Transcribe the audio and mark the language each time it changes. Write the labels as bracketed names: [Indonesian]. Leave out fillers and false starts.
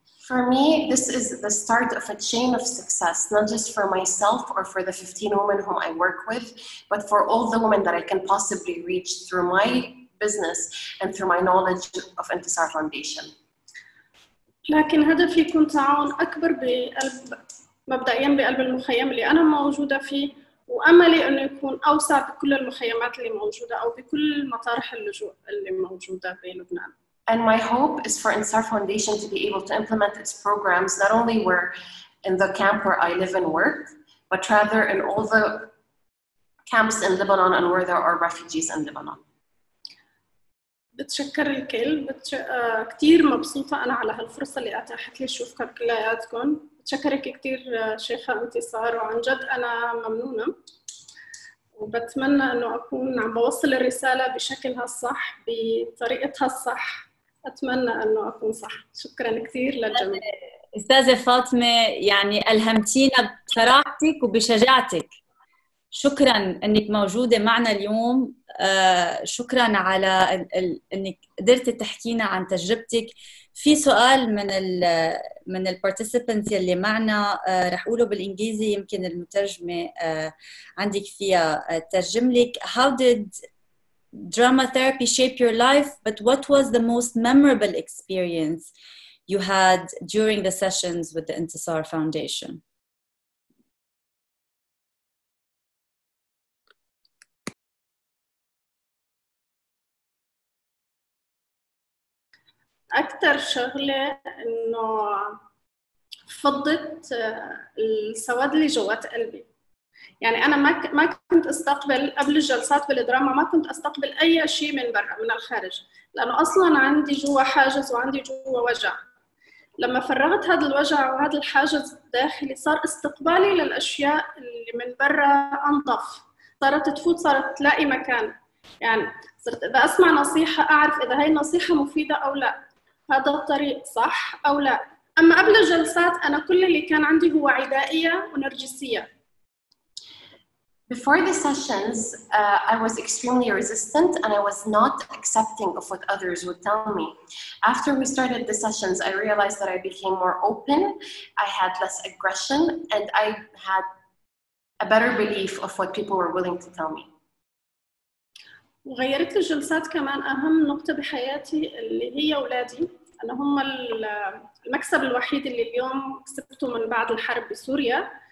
[English] For me, this is the start of a chain of success, not just for myself or for the 15 women whom I work with, but for all the women that I can possibly reach through my business and through my knowledge of Intisar Foundation. [Arabic] لكن هدفي يكون تعاون أكبر بقلب مبدئياً بقلب المخيم اللي أنا موجودة فيه وأملي أنه يكون أوسع بكل المخيمات اللي موجودة أو بكل مطارح اللجوء اللي موجودة في لبنان. [English] And my hope is for Intisar Foundation to be able to implement its programs not only where in the camp where I live and work, but rather in all the camps in Lebanon and where there are refugees in Lebanon. [Arabic] بتشكر الكل كتير مبسوطة أنا على هالفرصة اللي أتاحت لي أشوفكم كلياتكم. بتشكرك كتير شيخة انتصار وعن جد أنا ممنونة. وبتمنى إنه أكون عم بوصل الرسالة بشكلها الصح بطريقتها الصح. أتمنى أنه أكون صح. شكراً كثير للجميع. أستاذة فاطمة يعني ألهمتينا بصراحتك وبشجاعتك. شكراً أنك موجودة معنا اليوم. شكراً على أنك قدرت تحكينا عن تجربتك. في سؤال من الـ participants اللي معنا رح أقوله بالإنجليزي يمكن المترجمة عندك فيها ترجم لك. [English] How did drama therapy shape your life, but what was the most memorable experience you had during the sessions with the Intisar Foundation? [Arabic] أكثر شغلة إنه فضت السواد اللي جوات قلبي. يعني أنا ما كنت أستقبل قبل الجلسات بالدراما ما كنت أستقبل أي شيء من برا من الخارج لأنه أصلاً عندي جوا حاجز وعندي جوا وجع لما فرغت هذا الوجع وهذا الحاجز الداخلي صار استقبالي للأشياء اللي من برا أنظف صارت تفوت صارت تلاقي مكان يعني صرت إذا أسمع نصيحة أعرف إذا هاي النصيحة مفيدة أو لا هذا الطريق صح أو لا أما قبل الجلسات أنا كل اللي كان عندي هو عدائية ونرجسية. [English] Before the sessions, I was extremely resistant and I was not accepting of what others would tell me. After we started the sessions, I realized that I became more open, I had less aggression, and I had a better belief of what people were willing to tell me. [Arabic] وغيرت الجلسات كمان أهم نقطة بحياتي اللي هي أولادي. أنا هم المكسب الوحيد اللي اليوم كسبته من بعد الحرب بسوريا.